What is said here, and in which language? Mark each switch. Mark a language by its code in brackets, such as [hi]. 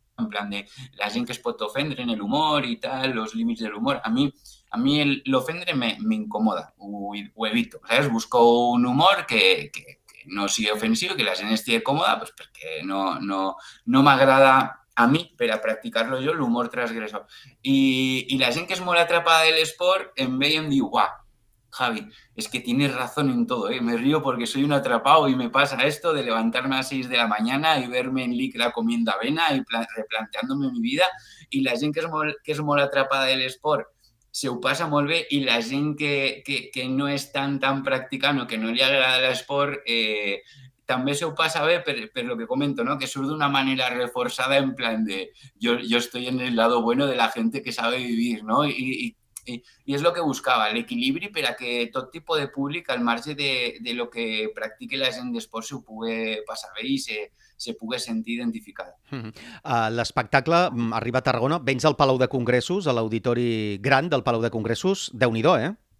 [ca] En plan de la gent que es pot ofendre en l'humor i tal, els límits de l'humor. A mi l'ofendre m'incomoda, ho evito. Saps? Busco un humor que no sigui ofensiu, que la gent estigui còmoda, pues perquè no m'agrada a mi, per a practicar-lo jo, l'humor transgressor. I la gent que és molt atrapada de l'esport em ve i em diu, [es] guau, Javi, es que tienes razón en todo, ¿eh? Me río porque soy un atrapado y me pasa esto de levantarme a 6 de la mañana y verme en licra comiendo avena y replanteándome mi vida. Y la gente que es muy atrapada del sport se lo pasa muy bien, y la gente que no es tan practicando, que no le agrada el sport, [ca] també se ho passa bé per lo que comento, no? Que surt d'una manera reforçada, en plan de jo [es] estoy en el lado bueno de la gente que sabe vivir, [ca] no? I és el que buscava, l'equilibri per a que tot tipus de públic, al marge de lo que practique la gent d'esport, se ho pugui passar bé i se pugui sentir identificada. L'espectacle arriba a Tarragona, vens al Palau de Congressos, a l'auditori gran del Palau de Congressos, déu-n'hi-do, eh?